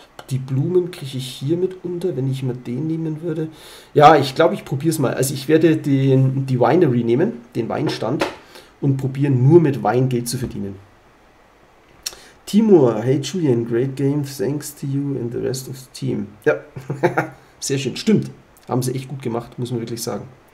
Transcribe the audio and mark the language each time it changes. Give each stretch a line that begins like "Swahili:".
German: Die Blumen kriege ich hier mit unter, wenn ich mal den nehmen würde. Ja, ich glaube, ich probiere es mal. Also ich werde die Winery nehmen, den Weinstand, und probieren, nur mit Wein Geld zu verdienen.
English: Timur, hey Julian, great game, thanks to you and the rest of the team.
German: Ja, sehr schön. Stimmt, haben sie echt gut gemacht, muss man wirklich sagen.